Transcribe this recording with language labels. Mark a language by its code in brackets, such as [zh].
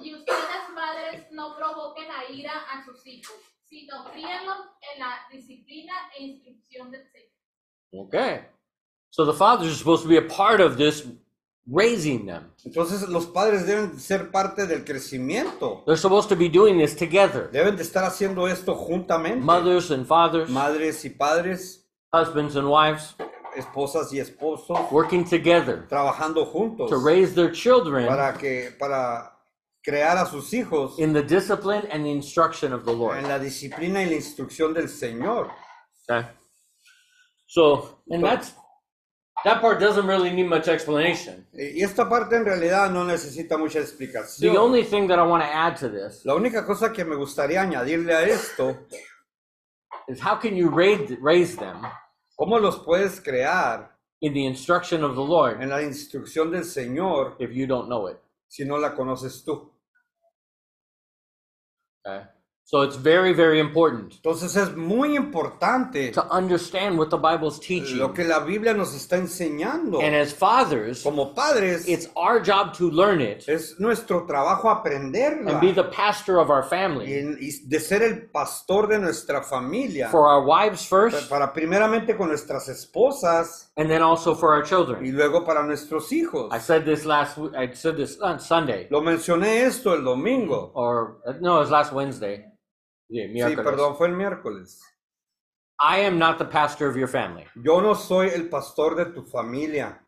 [es] Y ustedes madres no provoquen a ira a sus hijos, sino críenlos en la disciplina e instrucción del Señor. [en] Okay. So the fathers are supposed to be a part of this raising them. [es] Entonces los padres deben ser parte del crecimiento. [en] They're supposed to be doing this together. [es] Deben de estar haciendo esto juntamente. [en] Mothers and fathers. [es] Madres y padres. [en] Husbands and wives. [es] Esposas y esposos. [en] Working together. [es] Trabajando juntos. [en] To raise their children. [es] Para crear a sus hijos. [en] In the discipline and the instruction of the Lord. [es] En la disciplina y la instrucción del Señor. [en] Okay. So, That part doesn't really need much explanation. [es] Y esta parte en realidad no necesita mucha explicación. [en] The only thing that I want to add to this. [es] La única cosa que me gustaría añadirle a esto. [en] Is how can you raise them. [es] ¿Cómo los puedes crear? [en] In the instruction of the Lord. [es] En la instrucción del Señor. [en] If you don't know it. [es] Si no la conoces tú. [en] Okay. So it's very, very important. [es] Entonces es muy importante [en] to understand what the Bible's teaching. [es] Lo que la Biblia nos está enseñando. [en] And as fathers, [es] como padres, [en] it's our job to learn it. [es] Es nuestro trabajo aprenderla. [en] And be the pastor of our family. [es] Y de ser el pastor de nuestra familia. [en] For our wives first. [es] Para primeramente con nuestras esposas. [en] And then also for our children. [es] Y luego para nuestros hijos. [en] I said this on Sunday. [es] Lo mencioné esto el domingo. [en] It was last Wednesday. [es] Sí, perdón, fue el miércoles. [en] I am not the pastor of your family. [es] Yo no soy el pastor de tu familia.